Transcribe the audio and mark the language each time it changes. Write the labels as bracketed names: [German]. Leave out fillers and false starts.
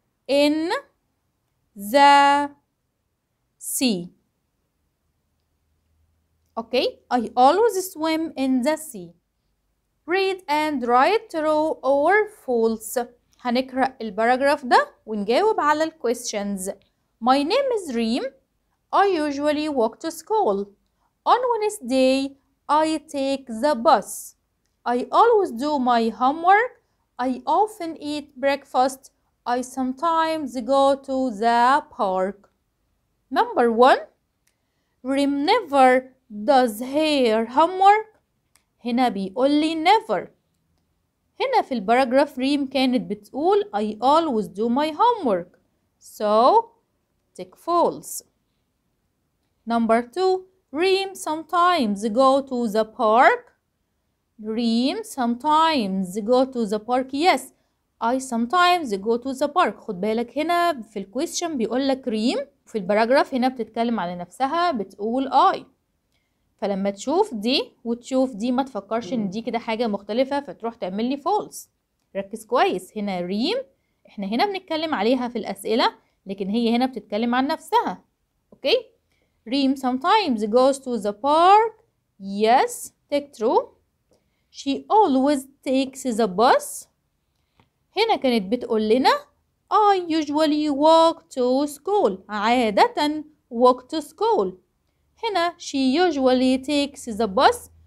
[English] In the sea. Okay. I always swim in the sea. Read and write true or false. [Arabic] هنقرأ الباراجراف ده ونجاوب على الquestions. [English] My name is Reem. I usually walk to school. On Wednesday, I take the bus. I always do my homework. I often eat breakfast. I sometimes go to the park. Number one, Reem never does her homework. [Arabic] هنا بيقول لي never. هنا في الباراجراف ريم كانت بتقول [English] I always do my homework. So, tick false. Number two, Reem sometimes go to the park. Reem sometimes go to the park. Yes, I sometimes go to the park. [Arabic] خد بالك هنا في الكويستشن بيقول لك ريم في الباراجراف هنا بتتكلم على نفسها بتقول I. فلما تشوف دي وتشوف دي ما تفكرش ان دي كده حاجة مختلفة فتروح تعمل لي false. ركز كويس هنا ريم احنا هنا بنتكلم عليها في الأسئلة لكن هي هنا بتتكلم عن نفسها. [English] Okay Reem sometimes goes to the park. Yes, take true. She always takes the bus. [Arabic] هنا كانت بتقول لنا [English] I usually walk to school. [Arabic] عادة [English] walk to school. [Arabic] هنا [English] she usually takes the bus.